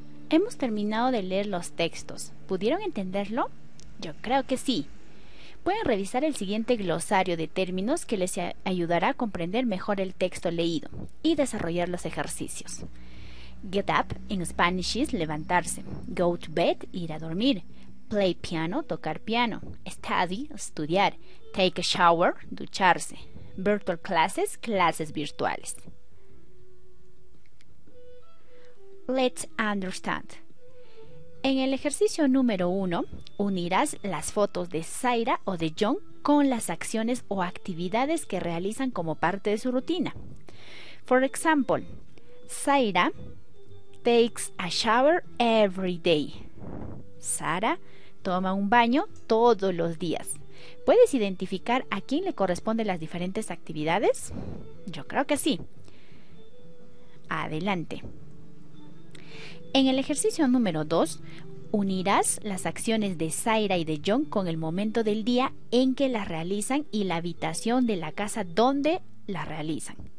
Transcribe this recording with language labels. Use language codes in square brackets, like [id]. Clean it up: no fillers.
[es] Hemos terminado de leer los textos. ¿Pudieron entenderlo? Yo creo que sí. Pueden revisar el siguiente glosario de términos que les ayudará a comprender mejor el texto leído y desarrollar los ejercicios. [en] Get up in Spanish is levantarse. Go to bed, [es] ir a dormir. [en] Play piano, [es] tocar piano. [en] Study, estudiar. Take a shower, ducharse. Virtual classes, [es] clases virtuales. [en] Let's understand. [es] En el ejercicio número 1, unirás las fotos de Zaira o de John con las acciones o actividades que realizan como parte de su rutina. [en] For example, Zaira takes a shower every day. [es] Sara toma un baño todos los días. ¿Puedes identificar a quién le corresponden las diferentes actividades? Yo creo que sí. Adelante. En el ejercicio número 2, unirás las acciones de Zaira y de John con el momento del día en que las realizan y la habitación de la casa donde las realizan.